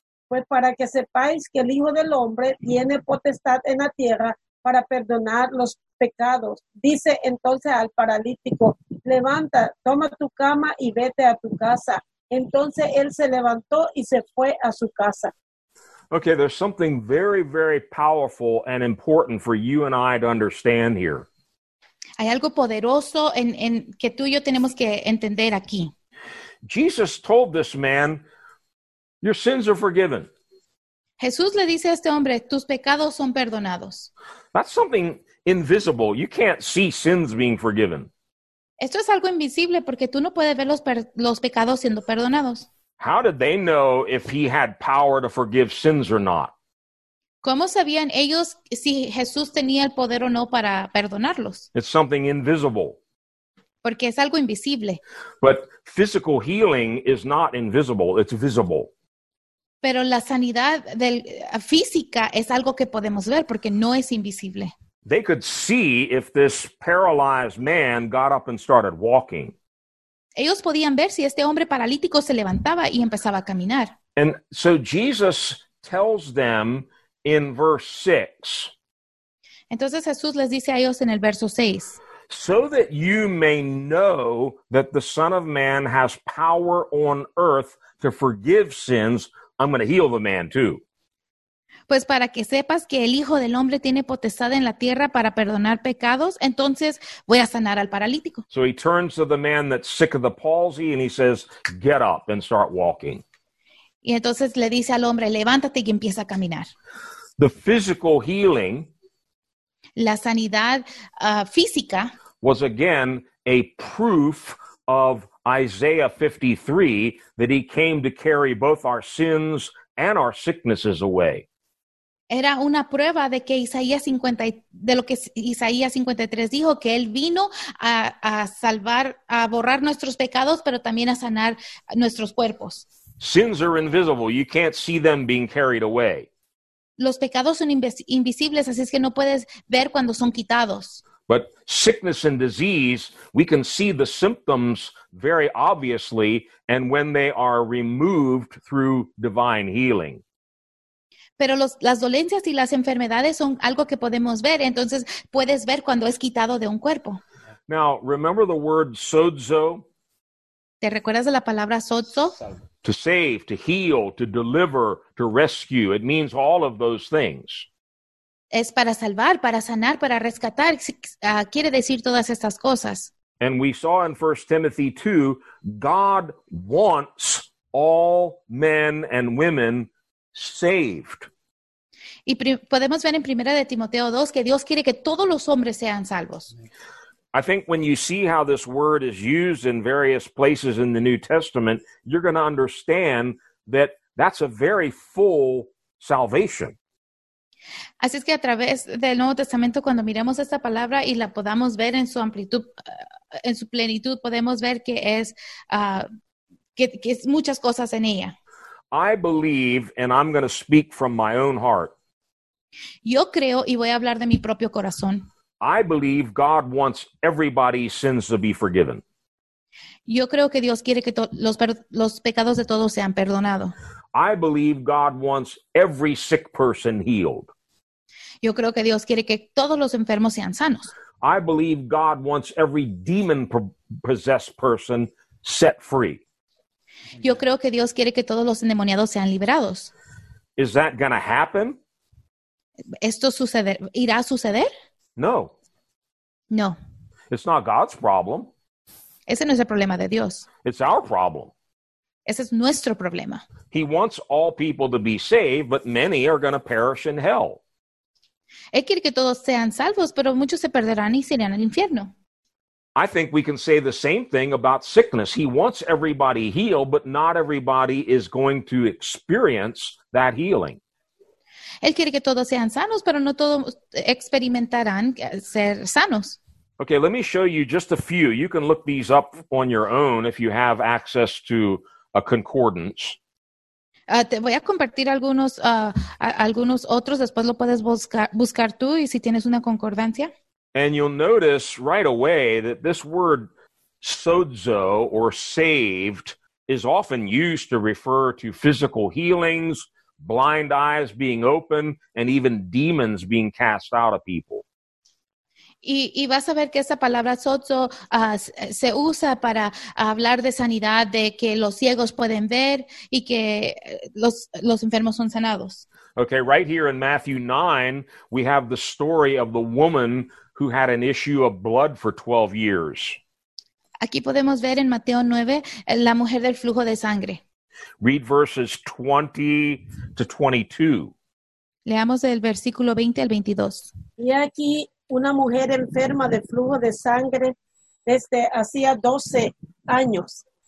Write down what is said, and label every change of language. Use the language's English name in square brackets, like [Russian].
[Spanish] Pues para que sepáis que el Hijo del Hombre tiene potestad en la tierra para perdonar los pecados. Dice entonces al paralítico, levanta, toma tu cama y vete a tu casa. Entonces él se levantó y se fue a su casa. [English] Okay, there's something very, very powerful and important for you and I to understand here. [Spanish] Hay algo poderoso en que tú y yo tenemos que entender aquí. [English] Jesus told this man, your sins are forgiven. [Spanish] Jesús le dice a este hombre, tus pecados son perdonados. [English] That's something invisible. You can't see sins being forgiven. [Spanish] Esto es algo invisible porque tú no puedes ver los pecados siendo perdonados. [English] How did they know if he had power to forgive sins or not? [Spanish] ¿Cómo sabían ellos si Jesús tenía el poder o no para perdonarlos? [English] It's something invisible. [Spanish] Porque es algo invisible. [English] But physical healing is not invisible. It's visible. [Spanish] Pero la sanidad física es algo que podemos ver porque no es invisible. [English] They could see if this paralyzed man got up and started walking. [Spanish] Ellos podían ver si este hombre paralítico se levantaba y empezaba a caminar. [English] And so Jesus tells them in verse 6. [Spanish] Entonces Jesús les dice a ellos en el verso 6. [English] So that you may know that the Son of Man has power on earth to forgive sins, I'm going to heal the man too. [Spanish] Pues para que sepas que el Hijo del Hombre tiene potestad en la tierra para perdonar pecados, entonces voy a sanar al paralítico. [English] So he turns to the man that's sick of the palsy and he says, get up and start walking. [Spanish] Y entonces le dice al hombre, levántate y empieza a caminar. [English] The physical healing, [Spanish] la sanidad física, [English] was again a proof of Isaiah 53, that he came to carry both our sins and our sicknesses away. [Spanish] Era una prueba de que Isaías 50, de lo que Isaías 53 dijo, que él vino a salvar, a borrar nuestros pecados, pero también a sanar nuestros cuerpos. [English] Sins are invisible. You can't see them being carried away. [Spanish] Los pecados son invisibles, así es que no puedes ver cuando son quitados. [English] But sickness and disease, we can see the symptoms very obviously, and when they are removed through divine healing. [Spanish] Pero las dolencias y las enfermedades son algo que podemos ver. Entonces, puedes ver cuando es quitado de un cuerpo. [English] Now, remember the word sozo? [Spanish] ¿Te recuerdas de la palabra sozo? [English] To save, to heal, to deliver, to rescue. It means all of those things. [Spanish] Es para salvar, para sanar, para rescatar. Quiere decir todas estas cosas. [English] And we saw in 1 Timothy 2, God wants all men and women saved. [Spanish] Y podemos ver en Primera de Timoteo 2 que Dios quiere que todos los hombres sean salvos. [English] I think when you see how this word is used in various places in the New Testament, you're going to understand that that's a very full salvation. [Spanish] Así es que a través del Nuevo Testamento, cuando miremos esta palabra y la podamos ver en su amplitud, en su plenitud, podemos ver que es muchas cosas en ella. [English] I believe, and I'm going to speak from my own heart. [Spanish] Yo creo, y voy a hablar de mi propio corazón. [English] I believe God wants everybody's sins to be forgiven. [Spanish] Yo creo que Dios quiere que los pecados de todos sean perdonados. [English] I believe God wants every sick person healed. [Spanish] Yo creo que Dios quiere que todos los enfermos sean sanos. [English] I believe God wants every demon-possessed person set free. [Spanish] Yo creo que Dios quiere que todos los endemoniados sean liberados. [English] Is that going to happen? [Spanish] ¿Esto suceder? ¿Irá a suceder? [English] No. [Spanish] No. [English] It's not God's problem. [Spanish] Ese no es el problema de Dios. [English] It's our problem. [Spanish] Ese es nuestro problema. [English] He wants all people to be saved, but many are going to perish in hell. [Spanish] Él quiere que todos sean salvos, pero muchos se perderán y se irán al infierno. [English] I think we can say the same thing about sickness. He wants everybody healed, but not everybody is going to experience that healing. [Spanish] Él quiere que todos sean sanos, pero no todos experimentarán ser sanos. [English] Okay, let me show you just a few. You can look these up on your own if you have access to a concordance. [Spanish] Te voy a compartir algunos otros. Después lo puedes buscar tú y si tienes una concordancia. [English] And you'll notice right away that this word sozo or saved is often used to refer to physical healings, blind eyes being open, and even demons being cast out of people. [Spanish] Y vas a ver que esa palabra sozo se usa para hablar de sanidad, de que los ciegos pueden ver y que los enfermos son sanados. [English] Okay, right here in Matthew 9, we have the story of the woman who had an issue of blood for 12 years. [Spanish] Aquí podemos ver en Mateo 9 la mujer del flujo de sangre. [English] Read verses 20 to 22. [Spanish] Leamos el versículo 20 al 22. Y aquí una mujer enferma de flujo de sangre desde hacía 12 años.